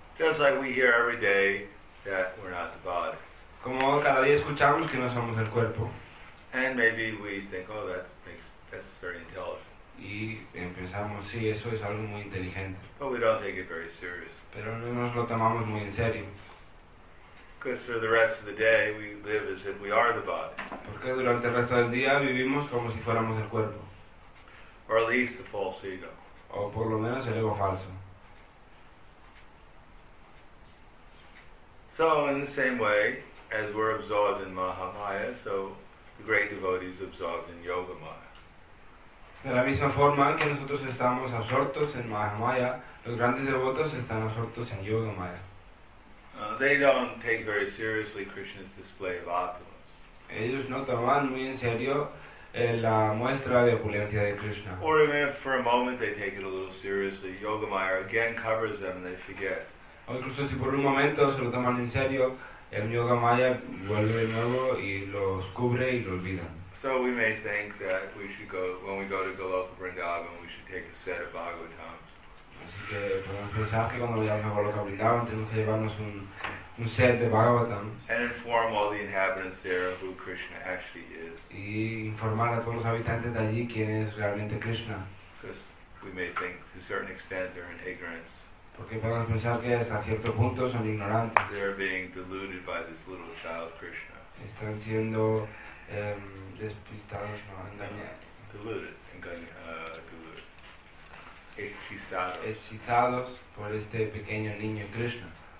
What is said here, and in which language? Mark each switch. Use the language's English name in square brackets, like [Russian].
[English] Just like we hear every day that we're not the body. [Spanish] Como cada día escuchamos que no somos el cuerpo. [English] And maybe we think, oh, that's very intelligent. [Spanish] Y pensamos, sí, eso es algo muy inteligente. [English] But we don't take it very serious. [Spanish] Pero no nos lo tomamos muy en serio. [English] Because for the rest of the day, we live as if we are the body. [Spanish] Porque durante el resto del día vivimos como si fuéramos el cuerpo. [English] Or at least the false ego. [Spanish] O por lo menos el ego falso. [English] So in the same way, as we're absorbed in Mahamaya, so the great devotee is absorbed in Yoga Maya. [Spanish] De la misma forma que nosotros estamos absortos en Mahamaya, los grandes devotos están absortos en Yoga Maya. [English] They don't take very seriously Krishna's display of opulence. [Spanish] Ellos no toman muy en serio la muestra de opulencia de Krishna. [English] Or even if for a moment they take it a little seriously, Yoga Maya again covers them and they forget. [Spanish] O incluso si por un momento se lo toman en serio, el Yoga Maya vuelve de nuevo y los cubre y lo olvidan. [English] So we may think that we should go, when we go to Goloka Vrindavan, we should take a set of Bhagavatams. [Spanish] Así que podemos pensar que cuando vayamos a Goloka Vrindavan tenemos que llevarnos un set de Bhagavatams. [English] And inform all the inhabitants there of who Krishna actually is. [Spanish] Y informar a todos los habitantes de allí quién es realmente Krishna. [English] Because we may think to a certain extent they're in ignorance. [Spanish] Porque podemos pensar que hasta cierto punto son ignorantes. [English] They're being deluded by this little child Krishna. [Spanish] Están siendo despistados, no, engañados. Hechizados por este pequeño niño Krishna.